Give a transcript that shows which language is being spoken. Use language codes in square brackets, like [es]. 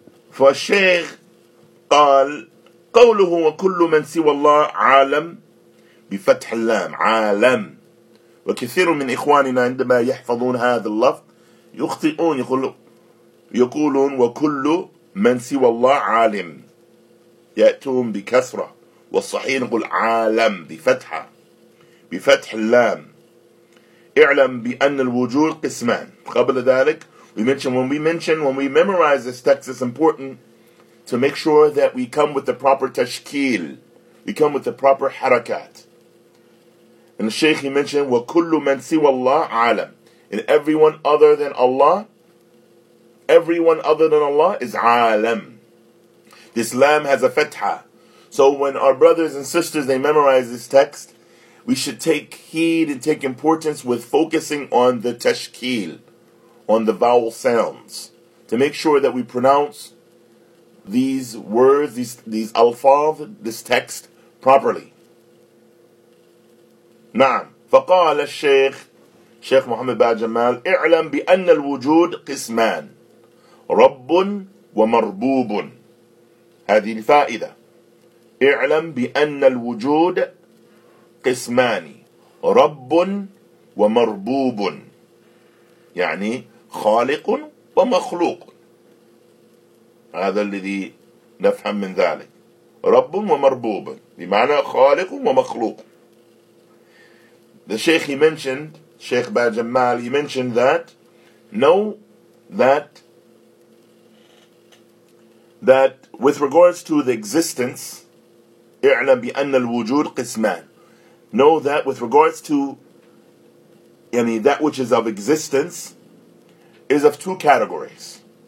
[ar] Fa shaykh qal, قوله وكل من سوى الله عالم بفتح اللام عالم وكثير من إخواننا عندما يحفظون هذا اللفظ يخطئون يقولون وكل من سوى الله عالم يأتون بكسرة والصحيح نقول عالم بفتح اللام. اعلم بأن الوجود قسمان. قبل ذلك [en] when we memorize this text, it's important to make sure that we come with the proper tashkil, we come with the proper harakat. And the Shaykh, he mentioned, [ar] وَكُلُّ مَنْ سِوَى اللَّهِ عَالَمْ. [en] And everyone other than Allah, everyone other than Allah is عَالَمْ. This lam has a fatha. So when our brothers and sisters, they memorize this text, we should take heed and take importance with focusing on the tashkil, on the vowel sounds, to make sure that we pronounce these words, these alfaz, this text properly. [ar] Naam. فقال الشيخ شيخ محمد بن جمال اعلم بأن الوجود قسمان رب ومربوب. هذه الفائدة. اعلم بأن الوجود قسمان رب ومربوب يعني خالق ومخلوق. هذا الذي نفهم من ذلك. رب ومربوب بمعنى خالق ومخلوق. [en] The Shaykh, he mentioned, Shaykh Ba Jamal, he mentioned that, know that with regards to the existence, [ar] اعلم بأن الوجود قسمان. [en] Know that with regards to that which is of existence is of two categories.